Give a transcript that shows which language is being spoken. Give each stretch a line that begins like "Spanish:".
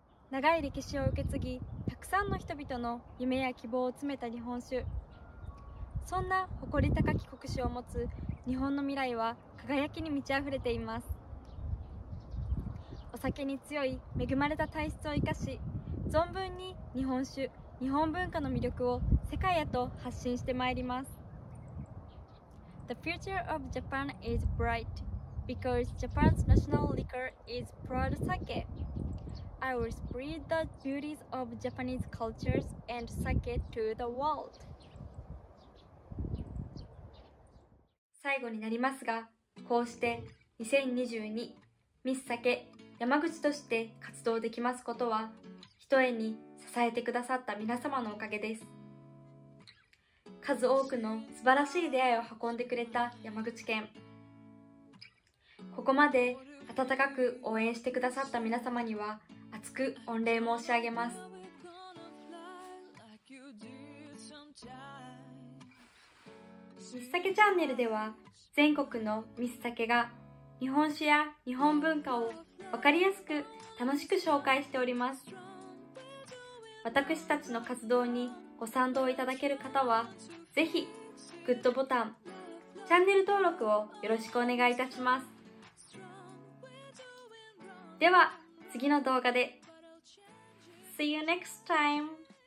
Japanese: 長い歴史を受け継ぎ、たくさんの人々の夢や希望を詰めた日本酒、そんな誇り高き国酒を持つ日本の未来は輝きに満ち溢れています。お酒に強い恵まれた体質を生かし、存分に日本酒、日本文化の魅力を世界へと発信してまいります。
English: The future of Japan is bright because Japan's national liquor is proud sake. I will spread the beauties of Japanese cultures and sake to the world.
Japanese: 最後になりますが、こうして2022ミスサケ山口として活動できますことは、ひとえに支えてくださった皆様のおかげです。数多くの素晴らしい出会いを運んでくれた山口県、ここまで温かく応援してくださった皆様には厚く御礼申し上げます。ミスサケチャンネルでは、全国のミスサケが日本酒や日本文化を分かりやすく楽しく紹介しております。私たちの活動にご賛同いただける方は、ぜひグッドボタン、チャンネル登録をよろしくお願いいたします。では次の動画で
English: See you next time!